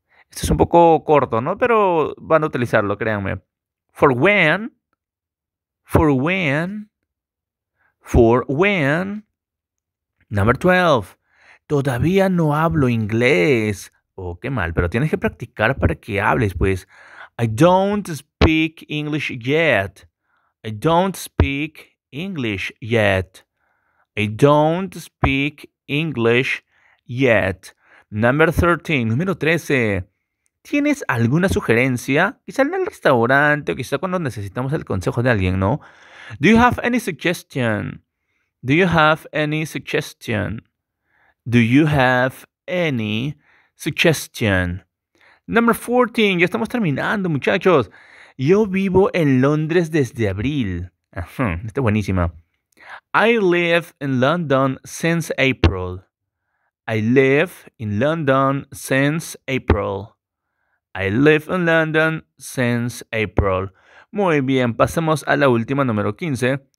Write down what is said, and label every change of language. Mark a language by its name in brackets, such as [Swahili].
[Spanish] Esto es un poco corto, ¿no? Pero van a utilizarlo, créanme. [English] For when. For when. For when. Number 12. [Spanish] Todavía no hablo inglés. Oh, qué mal, pero tienes que practicar para que hables, pues. [English] I don't speak English yet. I don't speak English yet. I don't speak English yet. Number 13, [Spanish] número 13. ¿Tienes alguna sugerencia? Quizá en el restaurante o quizá cuando necesitamos el consejo de alguien, ¿no? [English] Do you have any suggestion? Do you have any suggestion? Do you have any suggestion? Number 14, [Spanish] ya estamos terminando, muchachos. Yo vivo en Londres desde abril. Está buenísima. [English] I live in London since April. I live in London since April. I live in London since April. [Spanish] Muy bien, pasamos a la última, número 15.